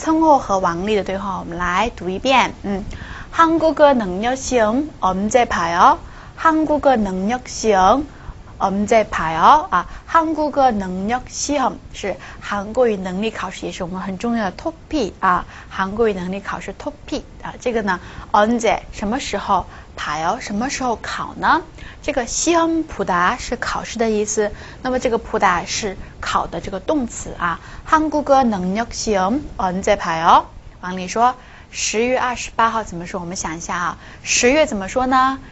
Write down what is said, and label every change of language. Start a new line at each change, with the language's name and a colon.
Korean: 목요일이에요.
Chinese: 啊，这样子熟悉了以后呢，就能很快的说出来了，对吧？嗯，那我们来看一下今天的课文内容啊。那么孙浩和王丽的对话，我们来读一遍。嗯，
Korean: 한국어 능력시험 언제 봐요? 한국어 능력시험 언제 봐요? 아, 한국어 능력 시험, 한국어 능력 시험, 역시 우리
Chinese: 很重要的
Korean: 토픽, 아, 한국어 능력 시험 토픽.
Chinese: 아, 这个呢, 언제, 什么时候, 봐요, 什么时候 考呢? 这个 시험 보다 是考试的意思, 那么这个 보다 是考的这个动词, 아,
Korean: 한국어 능력 시험 언제 봐요?
Chinese: 王丽说, 10月28号怎么说?我们想一下啊, 10月怎么说呢?